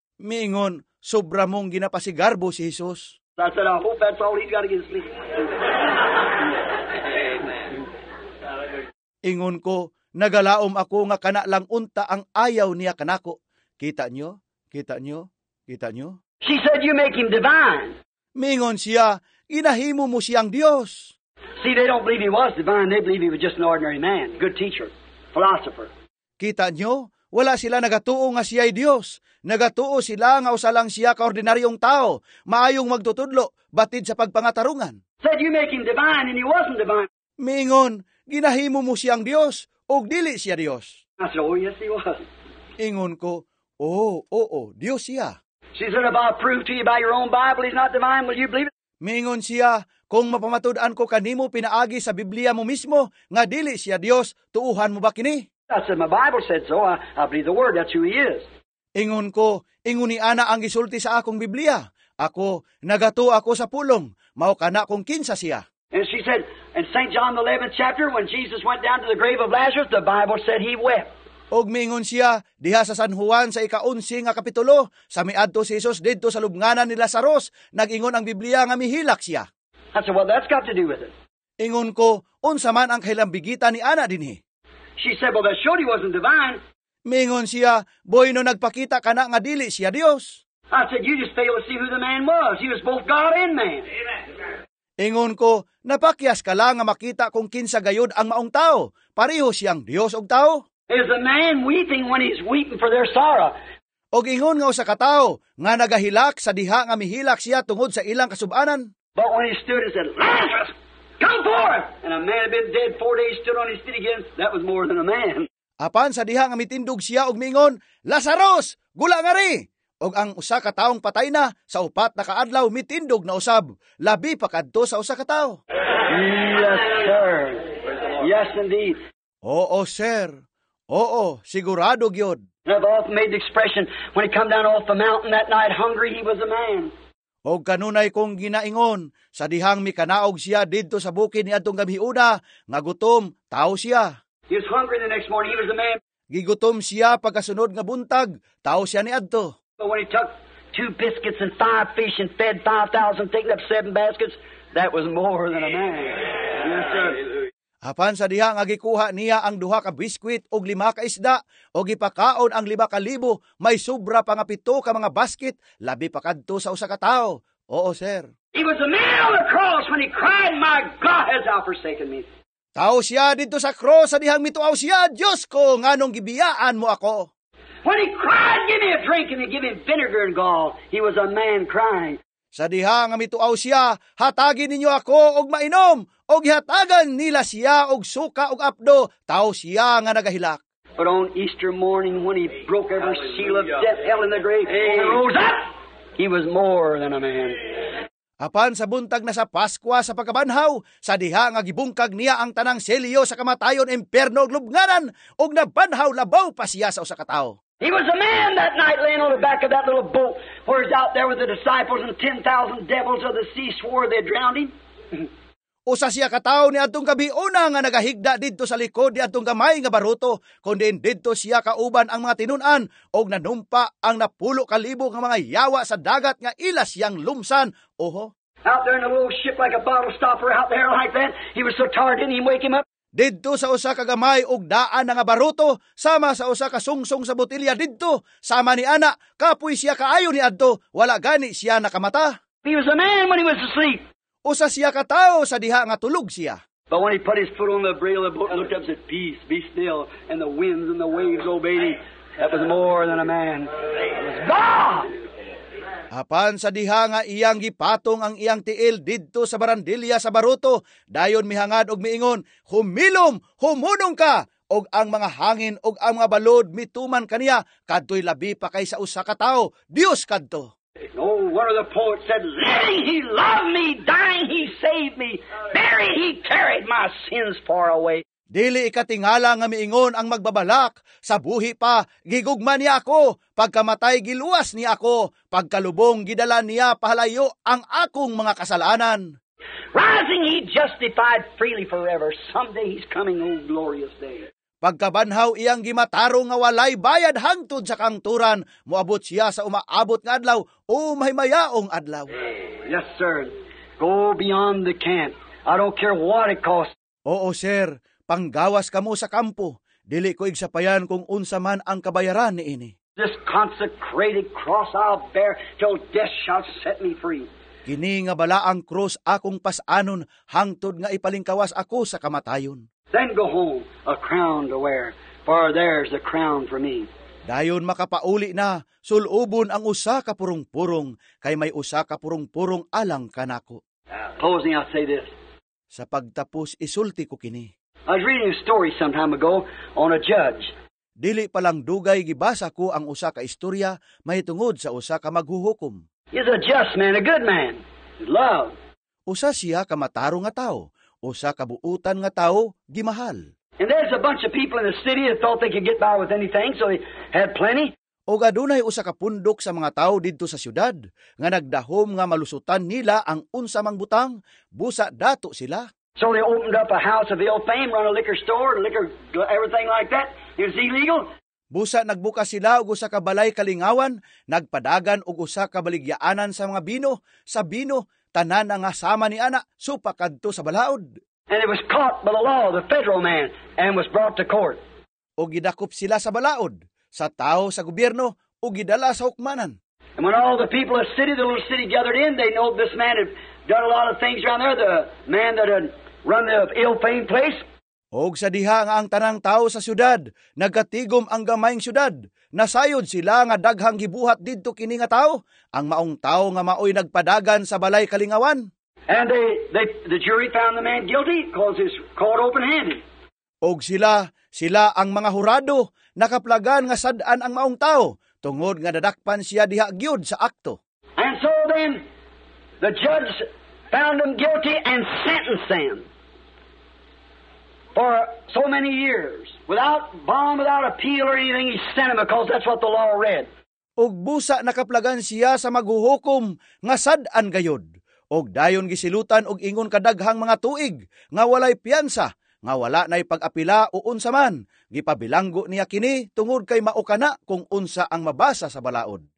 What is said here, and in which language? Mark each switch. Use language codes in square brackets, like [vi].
[ceb] Miingon, sobra mong ginapasigarbo si Jesus. [en] I said, I hope that's all he's got against me. [ceb] Ingon ko, nagalaom ako nga kana lang unta ang ayaw niya kanako. Kita nyo? Kita nyo? Kita nyo? [en] She said, you make him divine. [ceb] Mingon siya, inahimo mo siyang Dios. [en] See, they don't believe he was divine. They believe he was just an ordinary man, good teacher, philosopher. [ceb] Kita nyo? Wala sila nagatuo nga siya'y Dios. Nagatuo sila nga usalang siya kaordinaryong tao, maayong magtutudlo, batid sa pagpangatarungan. [en] Said, you make him divine and he wasn't divine. [ceb] Mingon, ginahimo mo siyang Dios. Og dili siya Dios. [en] I said, oh, yes, he was. [ceb] Ingon ko, oh, Dios siya. [en] She said, if I'll prove to you by your own Bible, he's not divine, will you believe it? [ceb] Mingon siya, kung mapamatud-an ko kanimo pinaagi sa Biblia mo mismo, nga dili siya Dios, tuuhan mo ba kini? [en] I said, my Bible said so, I believe the word, that's who he is. [ceb] Ingon ko, inguni ana ang gisulti sa akong Biblia. Ako, nagato ako sa pulong, mao kana kong kinsa siya. [en] And she said, in St. John the 11th chapter, when Jesus went down to the grave of Lazarus, the Bible said he wept. [ceb] Og mingon siya, diha sa San Juan sa ika-unsi nga kapitulo, sa miadto si Jesus dito sa lubnganan ni Lazarus, nagingon ang Biblia nga mihilak siya. [en] I said, well, that's got to do with it. [ceb] Ingon ko, unsa man ang kailambigitan ni Ana dinhi. [en] She said, well, that surely wasn't divine. [ceb] Mingon siya, boy no nagpakita ka na nga dili siya Dios. [en] I said, you just failed to see who the man was. He was both God and man. Amen. [ceb] Ingon ko, napakyas ka lang nga makita kung kinsa gayud ang maong tao. Pareho siyang Dios og tao. [en] is a man weeping when he's weeping for their sorrow. [ceb] Og ingon nga usa ka tawo nga nagahilak sa diha nga mihilak siya tungod sa ilang kasubanan. [en] But when he stood and said, "Lazarus, come forth," and a man had been dead 4 days, stood on his feet again, that was more than a man. [ceb] Apan sa diha nga mitindog siya og mingon, "Lazarus, gula nga ri." Og ang usa ka tawong patay na sa upat na kaadlaw mitindog na usab, labi pa kadto sa usa ka tawo. [en] Yes, sir. Yes, indeed. [ceb] Oo, sir. Oo, sigurado gyud. [en] I've often made the expression, when he come down off the mountain that night hungry, he was a man. [ceb] O kanunay kong ginaingon, sa dihang mikanaog siya dito sa bukid ni atong gamhiuna, nga gutom, tao siya. [en] He was hungry the next morning, he was a man. [ceb] Gigutom siya pagkasunod nga buntag, tao siya ni adto. [en] But when he took 2 biscuits and 5 fish and fed 5,000, taking up 7 baskets, that was more than a man. Yes, sir. [ceb] Apan sa diha nga gikuha niya ang 2 ka biskuit og 5 ka isda og gipakaon ang 5,000, may sobra pa nga 7 ka mga basket, labi pa kadto sa usa ka tawo. Oo, sir. [en] He was a man on the cross when he cried, "My God has thou forsaken me." [ceb] Tawo siya dito sa cross sa dihang mituaw siya, "Diyos ko, nganong gibiyaan mo ako?" [en] When he cried, "Give me a drink," and they give him vinegar and gall, he was a man crying. [ceb] Sa diha nga mituaw siya, "Hatagin ninyo ako og mainom." Og hatagan nila siya og suka og apdo, tao siya nga nagahilak. [en] But on Easter morning when he broke every seal of death, hell and the grave, hey, and rose up, he was more than a man. [ceb] Apan sa buntag na sa Paskwa sa pagkabanhaw, sa diha nga gibungkag niya ang tanang selyo sa kamatayon, imperno og lubnganan, og nabanhaw labaw pa siya sa usa ka tawo. [en] He was a man that night laying on the back of that little boat where he's out there with the disciples and 10,000 devils of the sea swore they drowned him. [ceb] Usa siya ka tawo ni atong gabiuna nga nagahigda didto sa likod ni atong gamay nga baruto, kundi didto siya kauban ang mga tinunan og nanumpa ang 10,000 nga mga yawa sa dagat nga ila siyang lumsan. Oho. [en] Out there in a little ship like a bottle stopper out there like that, he was so tired didn't even wake him up. [ceb] Didto sa usa ka gamay og daan nga baruto, sama sa usa ka sungsong sa botilya didto, sama ni ana, kapoy siya kaayo ni adto, wala gani siya nakamata. [en] He was a man when he was asleep. [ceb] Usa siya ka tawo sa diha nga tulog siya. [en] But when he put his foot on the rail of the boat and looked up and said, "Peace, be still," and the winds and the waves obeyed him, that was more than a man. God! [ceb] Apan sa diha nga iyang gipatong ang iyang tiil didto sa barandilya sa baruto, dayon mihangad og miingon, "Humilom, humunong ka!" Og ang mga hangin og ang mga balod mituman kaniya, kadto'y labi pa kaysa usa ka tawo, Dios kadto. [en] No wonder the poet said, "Living he loved me, dying he saved me, buried he carried my sins far away." [ceb] Dili ikatingala nga miingon ang magbabalak, "Sa buhi pa, gigugma niya ako, pagkamatay giluwas niya ako, pagkalubong gidala niya pahalayo ang akong mga kasalanan." [en] Rising he justified freely forever, someday he's coming, oh glorious day. [ceb] Pagkabanhaw iyang gimatarong nga walay bayad hangtod sa kangturan, muabot siya sa umaabot nga adlaw, o mahimayaong adlaw. [en] Yes, sir. Go beyond the camp. I don't care what it costs. [ceb] Oo, sir. Panggawas ka mo sa kampo. Dili ko igsapayan kung unsa man ang kabayaran ni ini. [en] This consecrated cross I'll bear till death shall set me free. [ceb] Kini nga balaang cross akong pasanon hangtod nga ipalingkawas ako sa kamatayon. [en] Then go home, a crown to wear, for there's the crown for me. [ceb] Dayon makapauli na, sulubon ang usa ka purong-purong, kay may usa ka purong-purong alang kanako. [en] Closing, I'll say this. [ceb] Sa pagtapos, isulti ko kini. [en] I was reading a story some time ago on a judge. [ceb] Dili palang dugay gibasa ko ang usa ka istorya may tungod sa usa ka maghuhukom. [en] He's a just man, a good man. Love. [ceb] Usa siya ka matarong nga tawo. Usa ka buutan nga tawo, gimahal. [en] And there's a bunch of people in the city that thought they could get by with anything, so they had plenty. [ceb] Og adunay usa ka pundok sa mga tawo dito sa siyudad, nga nagdahom nga malusutan nila ang unsa mang butang, busa dato sila. [en] So they opened up a house of ill fame, run a liquor store, liquor, everything like that. It was illegal. [ceb] Busa nagbuka sila og usa ka balay kalingawan, nagpadagan og usa ka baligyaanan sa mga bino, sa bino, tanan ang asama ni ana supakadto sa balaod. [en] And it was caught by the law, the federal man, and was brought to court. [ceb] O gidakop sila sa balaod, sa tao sa gobyerno, o gidala sa hukmanan. [en] And when all the people of the city, the little city gathered in, they know this man had done a lot of things around there, the man that had run the ill-famed place. [ceb] Og sa diha nga ang tanang tao sa syudad, nagatigom ang gamayng syudad. Nasayod sila nga daghang gibuhat didto kini nga tao, ang maong tao nga maoy nagpadagan sa balay kalingawan. [en] And the jury found the man guilty because he's caught open-handed. [ceb] Og sila ang mga hurado, nakaplagan nga sad-an ang maong tao, tungod nga dadakpan siya diha gyud sa akto. [en] And so then, the judge found him guilty and sentenced him for so many years. Without bond, without appeal or anything, he sent him because that's what the law read. [ceb] Og busa nakaplagan siya sa maghuhukom nga sad-an gayod. Og dayon gisilutan og ingon kadaghang mga tuig nga walay piyansa, nga wala nay pag-apila o unsa man. Gipabilanggo niya kini tungod kay maukana kung unsa ang mabasa sa balaod.